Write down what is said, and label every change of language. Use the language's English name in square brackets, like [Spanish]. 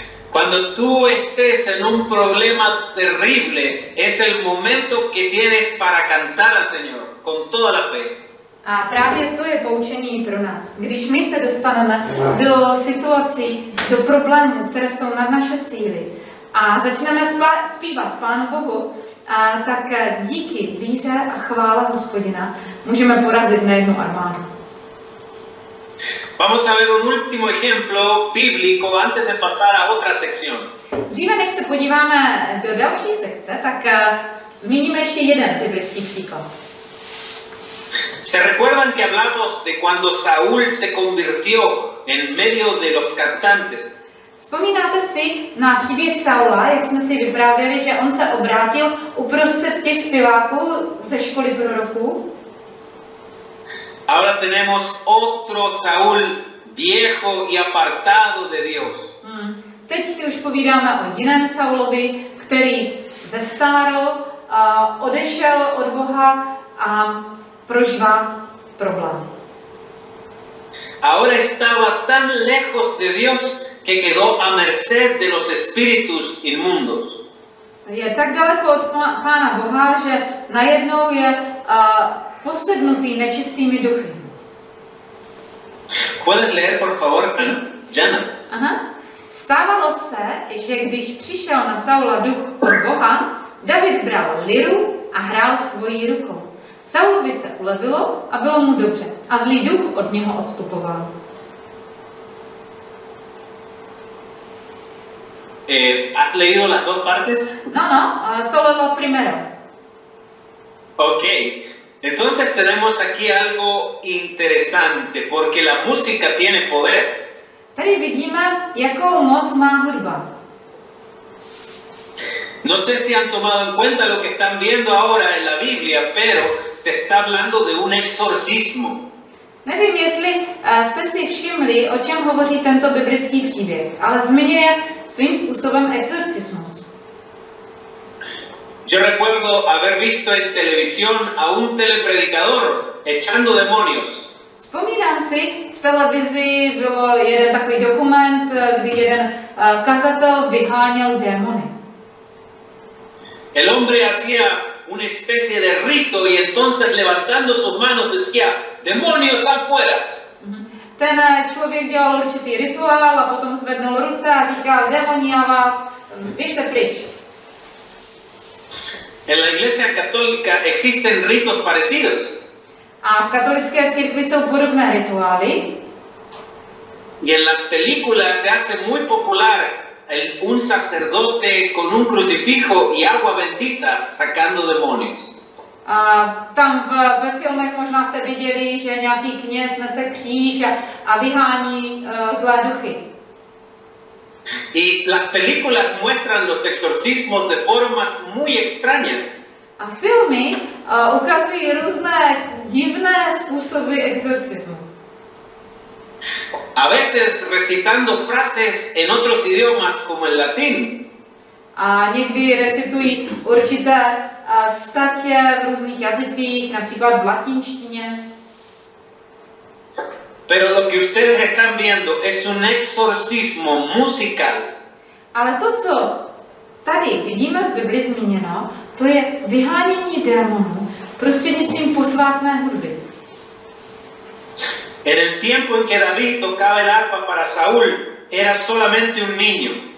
[Spanish] Cuando tú estés en un problema terrible, es el momento que tienes para cantar al Señor con toda la fe. [Czech] A právě to je poučení pro nás. Když my se dostaneme do situací, do problémů, které jsou nad naše síly a začneme zpívat Pánu Bohu, a tak díky víře a chvále Hospodina můžeme porazit nejednu armádu. [Spanish] Vamos a ver un último ejemplo bíblico antes de pasar a otra sección. [Czech] Dříve než se podíváme do další sekce, tak zmíníme ještě jeden biblický příklad. [Spanish] ¿Se recuerdan que hablamos de cuando Saúl se convirtió en medio de los cantantes? [Czech] Vzpomínáte si na příběh Saula, jak jsme si vyprávěli, že on se obrátil uprostřed těch zpěváků ze školy proroků? [Spanish] Ahora tenemos otro Saúl viejo y apartado de Dios. [Czech] Teď si už povídáme o jiném Saulovi, který zestárl, odešel od Boha a prožívá problém. [Spanish] Ahora estaba tan lejos de Dios que quedó a merced de los espíritus inmundos. [Czech] Je tak daleko od Pána Boha, že najednou je posednutý nečistými duchy. [Spanish] ¿Puedes leer, por favor, Jana? Aha. [Czech] Stávalo se, že když přišel na Saula duch od Boha, David bral liru a hrál svojí rukou. Saulovi se ulevilo a bylo mu dobře a zlý duch od něho odstupoval. [Spanish] ¿Has leído las dos partes? No, solo lo primero. Ok. Entonces tenemos aquí algo interesante, porque la música tiene poder. [Czech] Tady vidíme, jakou moc má hudba. [Spanish] No sé si han tomado en cuenta lo que están viendo ahora en la Biblia, pero se está hablando de un exorcismo. [Czech] Nevím, jestli jste si všimli, o čem hovoří tento biblický příběh, ale zmiňuje svým způsobem exorcismus. [Spanish] Yo recuerdo haber visto en televisión a un telepredicador echando demonios. [Czech] Vzpomínám si, v televizi byl jeden takový dokument, kdy jeden kazatel vyháněl démony. [Spanish] El hombre hacía una especie de rito y entonces levantando sus manos decía: "Demonios afuera." [Czech] Ten člověk dělal určitý rituál a potom zvednul ruce a říkal: "Démoni na vás, běžte pryč." [Spanish] En la iglesia católica existen ritos parecidos. [Czech] A v katolické církvi jsou podobné rituály. [Spanish] Y en las películas se hace muy popular un sacerdote con un crucifijo y agua bendita sacando demonios. [Czech] A tam ve filmech možná jste viděli, že nějaký kněz nese kříž a vyhání zlé duchy. [Spanish] Y las películas muestran los exorcismos de formas muy extrañas. [Czech] A filmy ukazují různé divné způsoby exorcismu. [Spanish] A veces recitando frases en otros idiomas como el latín. [Czech] A někdy recitují určité statě v různých jazycích, například v latinštině. [Spanish] Pero lo que ustedes están viendo es un exorcismo musical. [Czech] Ale to, co tady vidíme v Biblii zmíněno, to je vyhánění démonů prostřednictvím posvátné hudby. [Spanish] En el tiempo en que David tocaba el arpa para Saúl, era solamente un niño.